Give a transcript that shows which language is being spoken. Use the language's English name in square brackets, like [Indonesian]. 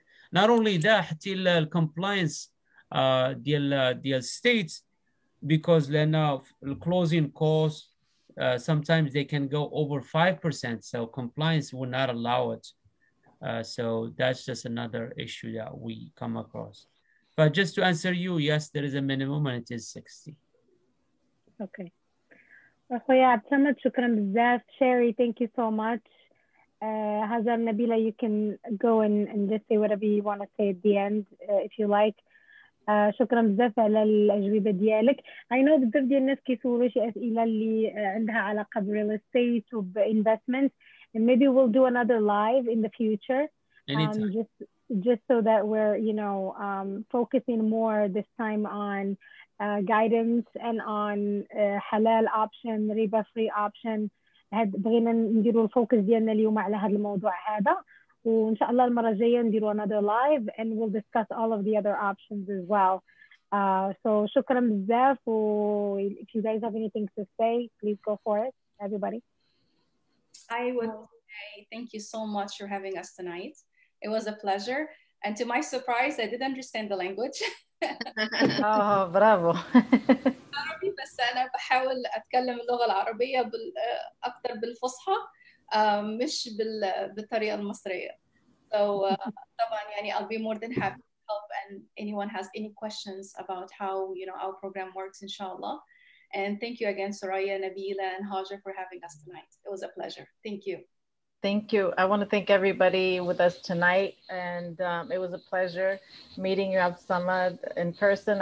[English] Not only that, till compliance the states, because the closing costs sometimes they can go over 5%, so compliance will not allow it. So that's just another issue that we come across. But just to answer you, yes, there is a minimum and it is 60. Okay. [Arabic] أخويا عبد الصمد شكرا بزاف. [English] Sherry, thank you so much. Hazar, Nabila, you can go and just say whatever you want to say at the end, if you like. [Arabic] شكرا بزاف على الأجوبة ديالك. [English] I know [Arabic] بزاف ديال الناس كيسولوا شي أسئلة اللي عندها علاقة بالريل استيت وبالإنفستمنت. [English] And maybe we'll do another live in the future, just so that we're, focusing more this time on guidance and on halal option, riba free option. [Arabic] هاد بغينا نديرو الفوكس ديالنا اليوم على هاد الموضوع هذا، وإن شاء الله المرة الجاية نديرو [English] another live and we'll discuss all of the other options as well. So [Arabic] shukran bizaf. [English] If you guys have anything to say, please go for it, everybody. I would say thank you so much for having us tonight. It was a pleasure. And to my surprise, I didn't understand the language. Oh, bravo. [Arabic] عربي بس أنا بحاول أتكلم اللغة العربية أكثر بالفصحى مش بالطريقة المصرية. [English] So [Arabic] طبعاً يعني [English] I'll be more than happy to help and anyone has any questions about how you know our program works, inshallah. And thank you again, Soraya, Nabila, and Hajar for having us tonight. It was a pleasure. Thank you. Thank you. I want to thank everybody with us tonight. And it was a pleasure meeting you, Abdussamad, in person.